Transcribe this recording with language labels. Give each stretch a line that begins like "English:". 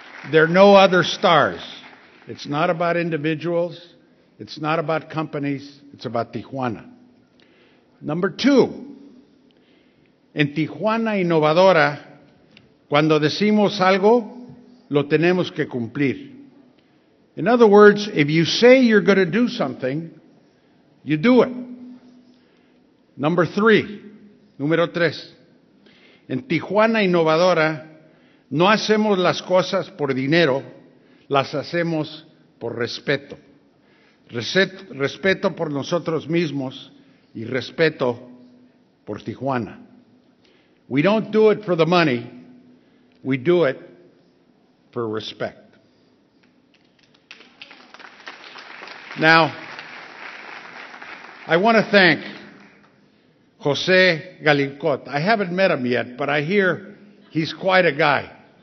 English: There are no other stars. It's not about individuals. It's not about companies. It's about Tijuana. Number two,
Spanish: en Tijuana innovadora, cuando decimos algo, lo tenemos que cumplir.
English: In other words, if you say you're going to do something, you do it. Number three,
Spanish: número tres, en Tijuana innovadora, no hacemos las cosas por dinero, las hacemos por respeto. Respeto por nosotros mismos y respeto por Tijuana.
English: We don't do it for the money, we do it for respect. Now, I want to thank José Galincot. I haven't met him yet, but I hear he's quite a guy.